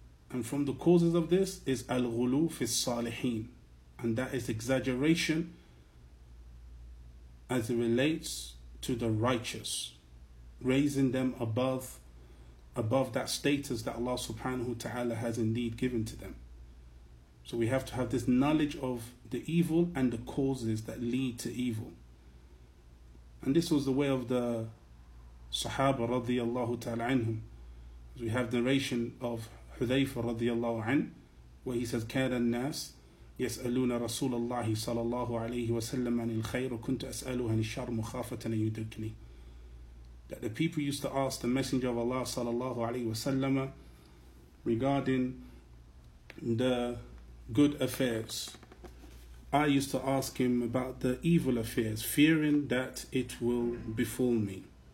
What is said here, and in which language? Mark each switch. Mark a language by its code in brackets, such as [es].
[en] And from the causes of this is al-ghulu fi salihin, and that is exaggeration as it relates to the righteous, raising them above that status that Allah subhanahu wa ta'ala has indeed given to them. So we have to have this knowledge of the evil and the causes that lead to evil. And this was the way of the Sahaba radiyallahu ta'ala anhum. We have narration of Hudhayfa radiyallahu anhu, where he says, [ar] كَانَ النَّاسِ يَسْأَلُونَ رَسُولَ اللَّهِ صَلَى اللَّهُ عَلَيْهِ وَسَلَّمَ عَنِ الْخَيْرِ وَكُنْتُ أَسْأَلُهَ عَنِ الشَّرِّ مُخَافَةً أَنْ يُدْرِكَنِي. [en] That the people used to ask the Messenger of Allah sallallahu alayhi wasallam regarding the good affairs. I used to ask him about the evil affairs, fearing that it will befall me.